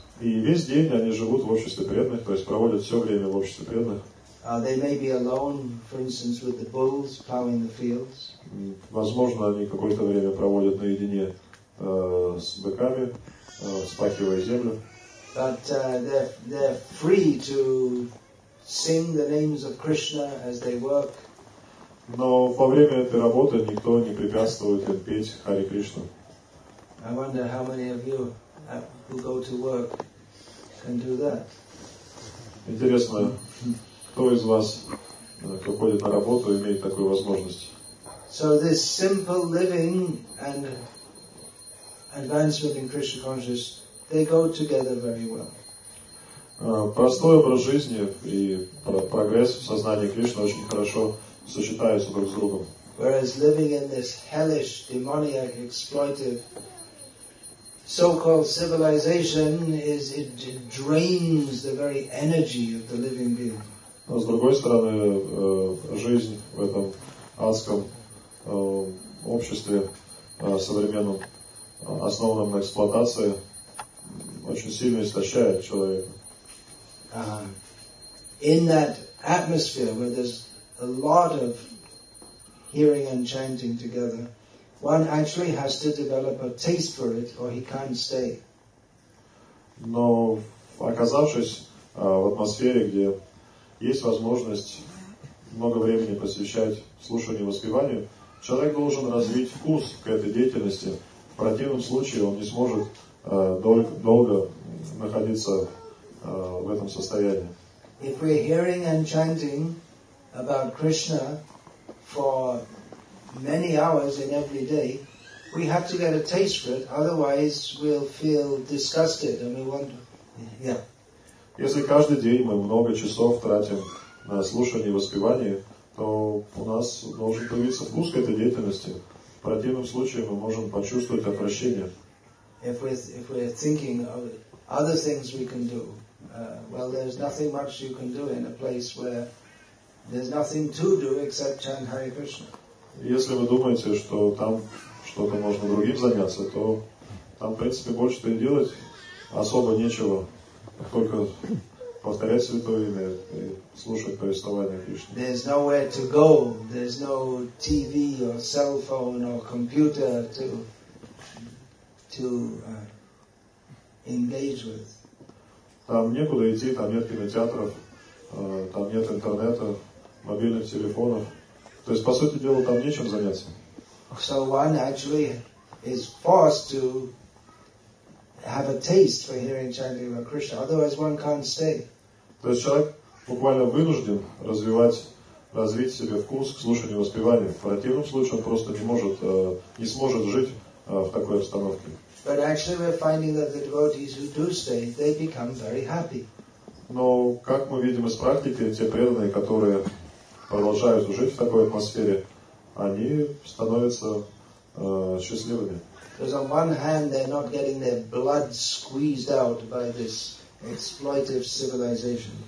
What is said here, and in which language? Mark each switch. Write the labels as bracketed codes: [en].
[ru] И весь день они живут в обществе преданных, то есть проводят все время в обществе преданных. [en] They may be alone, for instance, with the bulls plowing the fields. [ru] Возможно, они какое-то время проводят наедине с быками, вспахивая землю. [en] But they're free to sing the names of Krishna as they work. [ru] Но во время этой работы никто не препятствует им петь Хари Кришну. [en] I wonder how many of you who go to work can do that. [ru] Интересно, кто из вас, кто ходит на работу, имеет такую возможность? [en] So this simple living and advancement in Krishna consciousness, they go together very well. [ru] Простой образ жизни и прогресс в сознании Кришны очень хорошо сочетаются друг с другом. [en] Whereas living in this hellish, demoniac, exploitive so-called civilization is it drains the very energy of the living being. [ru] Но с другой стороны, жизнь в этом адском обществе современном, основанном на эксплуатации, очень сильно истощает человека. [en] In that atmosphere where there's a lot of hearing and chanting together, one actually has to develop a taste for it, or he can't stay. [ru] Но оказавшись в атмосфере, где есть возможность много времени посвящать слушанию и воспеванию, человек должен развить вкус к этой деятельности. В противном случае он не сможет долго находиться в этом состоянии. [en] If we're hearing and chanting about Krishna for many hours in every day, we have to get a taste for it, otherwise we'll feel disgusted and we won't. Yeah. [ru] Если каждый день мы много часов тратим на слушание и воспевание, то у нас должен появиться вкус к этой деятельности. В противном случае мы можем почувствовать отвращение. [en] If we're thinking of other things we can do, well, there's nothing much you can do in a place where there's nothing to do except chant Hare Krishna. [ru] Если вы думаете, что там что-то можно другим заняться, то там, в принципе, больше-то и делать особо нечего, только повторять святое имя и слушать повествование Кришны. [en] There's nowhere to go. There's no TV or cell phone or computer to engage with. [ru] Там некуда идти, там нет кинотеатров, там нет интернета, мобильных телефонов. То есть, по сути дела, там нечем заняться. [en] So one actually is forced to have a taste for hearing chanting about Krishna. Otherwise, one can't stay. [ru] То есть человек буквально вынужден развить себе вкус к слушанию и воспеванию. В противном случае он просто не сможет жить в такой обстановке. [en] But actually, we're finding that the devotees who do stay, they become very happy. [ru] Но как мы видим из практики, те преданные, которые продолжают жить в такой атмосфере, они становятся счастливыми. [en] Because on one hand, they're not getting their blood squeezed out by this exploitive civilization.